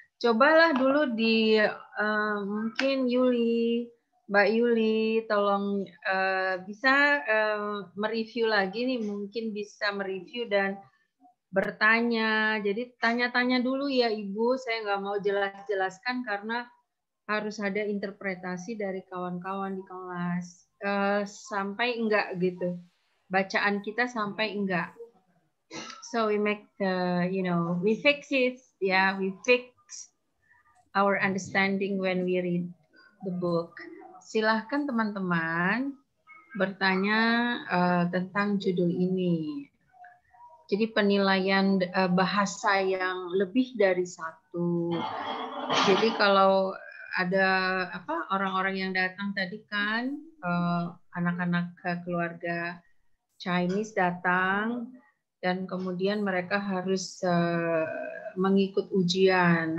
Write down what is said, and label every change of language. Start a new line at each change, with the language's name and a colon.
Indonesian: Cobalah dulu di mungkin Yuli, Mbak Yuli, tolong bisa mereview lagi nih, mungkin bisa mereview dan bertanya. Jadi tanya-tanya dulu ya Ibu, saya nggak mau jelas-jelaskan karena harus ada interpretasi dari kawan-kawan di kelas. Sampai enggak gitu. Bacaan kita sampai enggak.
English: So we make the, you know, we fix it. Yeah, we fix our understanding when we read the book.
Indonesian: Silahkan teman-teman bertanya tentang judul ini. Jadi penilaian bahasa yang lebih dari satu. Jadi kalau ada apa orang-orang yang datang tadi kan anak-anak keluarga Chinese datang dan kemudian mereka harus mengikut ujian.